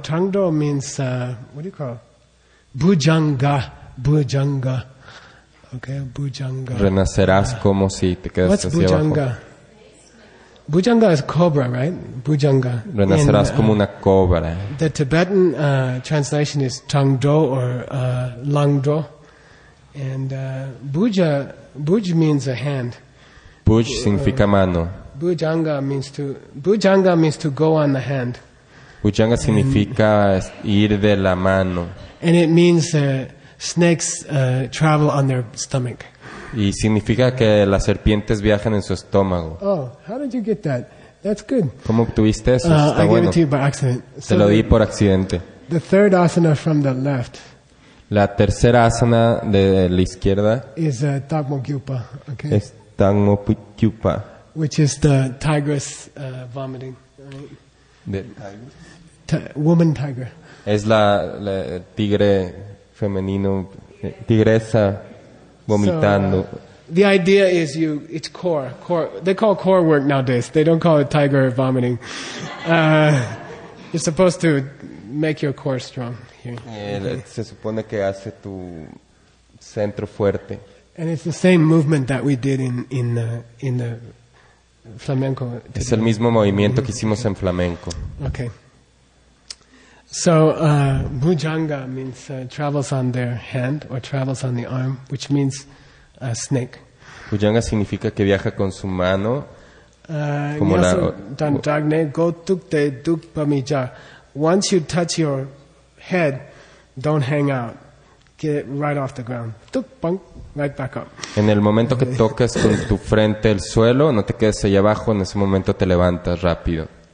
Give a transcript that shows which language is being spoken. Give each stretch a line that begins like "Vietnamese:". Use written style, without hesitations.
English: Changdo means, what do you call it? Bujanga. Bujanga. Okay, Bujanga.
Spanish: Renacerás como si te quedas hacia abajo.
English: What's Bujanga? Bujanga is cobra, right? Bujanga.
Spanish: Renacerás como una cobra.
English: The Tibetan translation is Changdo or Langdo. And Buj means a hand.
Spanish: Buj significa mano.
English: Bujanga means to go on the hand.
Spanish: Bujanga significa ir de la mano.
English: And it means snakes travel on their stomach.
Spanish: Y significa que las serpientes viajan en su estómago.
English: Oh, how did you get that? That's good.
Spanish: ¿Cómo obtuviste eso? Está
English: I gave
Spanish: bueno.
English: It to you by accident.
Spanish: Te lo di por accidente.
English: The third asana from the left.
Spanish: La tercera asana de la izquierda
English: is Tagmo Kyupa, okay?
Spanish: Es Tagmo Kyupa.
English: Which is the tigress vomiting, right? Woman tiger.
Spanish: Es la tigre femenino, tigresa vomitando.
English: So, the idea is it's core. They call core work nowadays. They don't call it tiger vomiting. You're supposed to make your core strong.
Spanish: Se supone que hace tu centro fuerte.
English: And it's the same movement that we did in the flamenco.
Spanish: Es el mismo movimiento que hicimos en flamenco.
English: Okay. So, bujanga means travels on their hand or travels on the arm, which means a snake.
Spanish: Bujanga significa que viaja con su mano. Como la.
Tibetan: Dandagne go tukte dukpamija.
English: Once you touch your head, don't hang out. Get it right off the ground. Tukpunk, right back up.
Spanish: En el momento que toques con tu frente el suelo, no te quedes ahí abajo, en ese momento te levantas rápido.